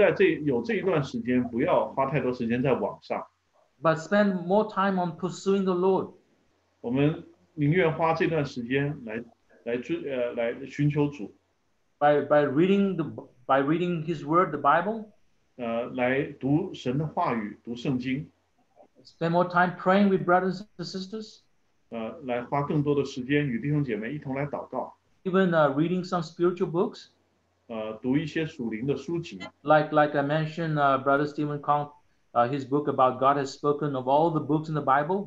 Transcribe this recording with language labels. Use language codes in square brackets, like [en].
[zh] 就是我们现在有这一段时间不要花太多时间在网上 [en] but spend more time on pursuing the Lord. [zh] 我们宁愿花这段时间来寻求主 [en] by reading his word, the Bible. [zh] 来读神的话语，读圣经. [en] Spend more time praying with brothers and sisters. [zh] 来花更多的时间与弟兄姐妹一同来祷告. [en] Even reading some spiritual books. [zh] 读一些属灵的书籍. [en] Like I mentioned, Brother Stephen Kong, his book about God has spoken of all the books in the Bible.